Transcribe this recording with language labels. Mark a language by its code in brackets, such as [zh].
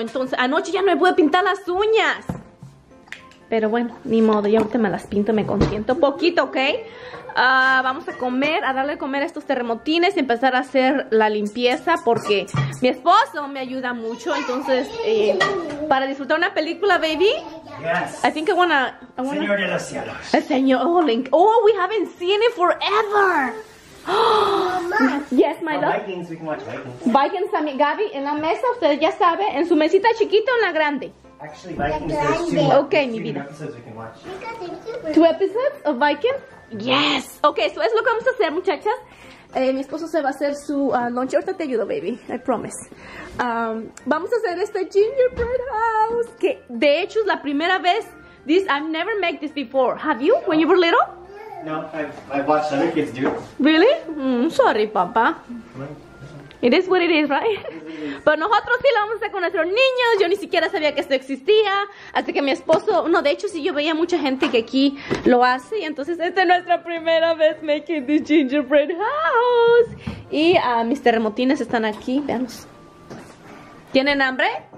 [es] Entonces, anoche ya no me pude pintar las uñas. Pero bueno, ni modo. Ya ahorita me las pinto y me consiento. Poquito, ¿ok? Vamos a comer, a darle a comer a estos terremotines y empezar a hacer la limpieza porque mi esposo me ayuda mucho. Entonces, para disfrutar una película, baby. [en] Yes. I think I wanna... [es] Señor de los cielos. El señor, oh, Link. [en] Oh, we haven't seen it forever. Yes, my love. Vikings, we can watch Vikings. [es] Vikings, Gaby, en la mesa, ustedes ya saben, en su mesita chiquita o en la grande. [en] Actually, Vikings, there's two episodes we can watch. Two episodes of Vikings? Yes. [es] Ok, eso es lo que vamos a hacer, muchachas. Mi esposo se va a hacer su lunch. Ahorita te ayudo, baby. [en] I promise. [es] Vamos a hacer este gingerbread house. Que, de hecho, es la primera vez. [en] I've never made this before. Have you? No. When you were little? No, I've watched other kids do it. Really? [es] Sorry, papá. [en] It is what it is, right? [es] Pero nosotros sí lo vamos a hacer con nuestros niños. Yo ni siquiera sabía que esto existía. Así que mi esposo, no, de hecho sí, yo veía mucha gente que aquí lo hace. Y entonces esta es nuestra primera vez [en] making this gingerbread house. [es] Y mis terremotines están aquí, veamos. ¿Tienen hambre?